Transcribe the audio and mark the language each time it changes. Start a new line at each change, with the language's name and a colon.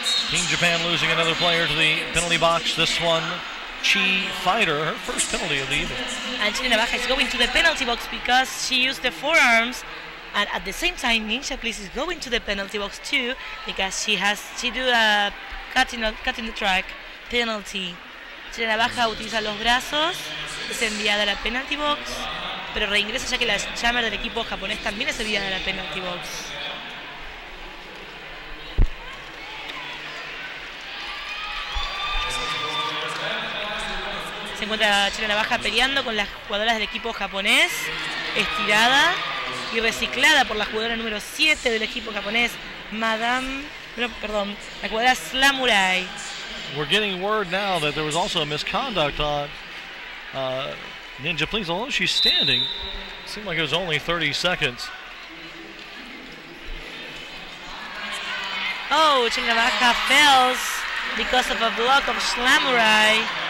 English: Team Japan losing another player to the penalty box. This one, Chi Fighter, her first penalty of the evening. And Chile Navaja is going to the penalty box because she used the forearms. And at the same time, Ninja Bliss is going to the penalty box too because she did a cutting the track penalty.
Spanish: Chile Navaja utiliza los brazos, es enviada a la penalty box, pero reingresa ya que la jammer del equipo japonés también es enviada a la penalty box. Se encuentra Chile Navaja peleando con las jugadoras del equipo japonés, estirada y reciclada por la jugadora número 7 del equipo japonés, la jugadora Slamurai.
English: We're getting word now that there was also a misconduct on Ninja Please, although she's standing. It seemed like it was only 30 seconds. Oh, Chile Navaja fails because of a block of Slamurai.